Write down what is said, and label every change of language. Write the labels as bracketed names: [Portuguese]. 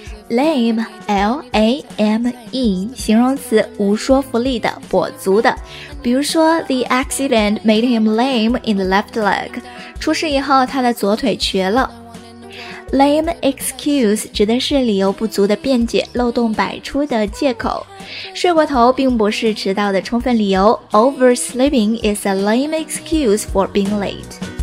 [Chinese] Lame， L-A-M-E， 形容词，无说服力的，跛足的。 [English] 比如说 The accident made him lame in the left leg，出事以后他的左腿瘸了。 [Chinese] Lame excuse 指的是理由不足的辩解，漏洞百出的借口。睡过头并不是迟到的充分理由。 [English] Oversleeping is a lame excuse for being late。